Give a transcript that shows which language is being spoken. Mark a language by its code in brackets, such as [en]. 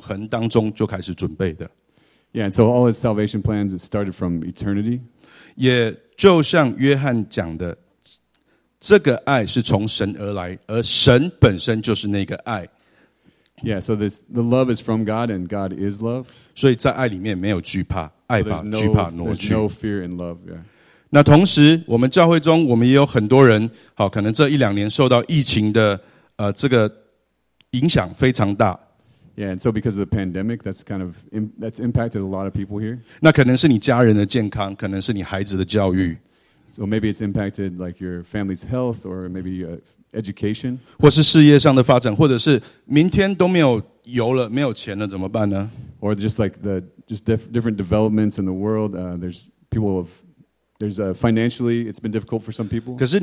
[zh] 那你不要忘记，上帝透过耶稣所执行的拯救计划是从永恒当中就开始准备的。 [en] Yeah, and so all his salvation plans, it started from eternity. [zh] 也就像约翰讲的，这个爱是从神而来，而神本身就是那个爱。 [en] Yeah, so this, the love is from God and God is love. [zh] 所以在爱里面没有惧怕，爱吧，惧怕挪去。 [en] There's no fear in love. Yeah. [zh] 那同时，我们教会中我们也有很多人，好，可能这一两年受到疫情的这个影响非常大。 [en] Yeah, and so because of the pandemic, that's impacted a lot of people here. [zh] 那可能是你家人的健康，可能是你孩子的教育。 [en] So maybe it's impacted like your family's health or maybe education. [zh] 或是事业上的发展，或者是明天都没有油了，没有钱了，怎么办呢？ [en] Or just like the just different developments in the world, there's financially, it's been difficult for some people.